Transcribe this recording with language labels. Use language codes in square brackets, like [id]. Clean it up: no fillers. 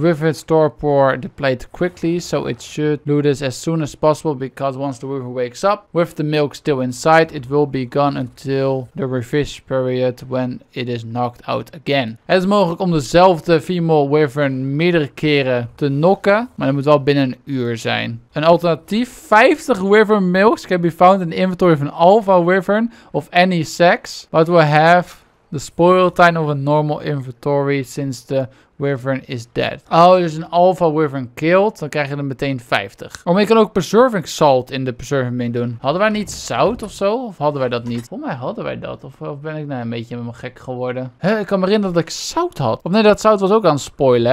[en] Wyvern torpor depleted quickly, so it should do this as soon as possible, because once the wyvern wakes up, with the milk still in inside, it will be gone until the refresh period when it is knocked out again. [nl] Het is mogelijk om dezelfde female wyvern meerdere keren te knocken, maar dat moet wel binnen een uur zijn. Een alternatief, [en] 50 wyvern milks can be found in the inventory of an alpha wyvern of any sex, but will have the spoil time of a normal inventory since the Wyvern is dead. [nl] Oh, dus een Alpha Wyvern killed. Dan krijg je er meteen 50. Oh, maar je kan ook Preserving Salt in de Preserving Bin doen. Hadden wij niet zout of zo? Of hadden wij dat niet? Volgens mij hadden wij dat. Of ben ik nou een beetje met me gek geworden? Huh, ik kan me herinneren dat ik zout had. Of nee, dat zout was ook aan het spoilen.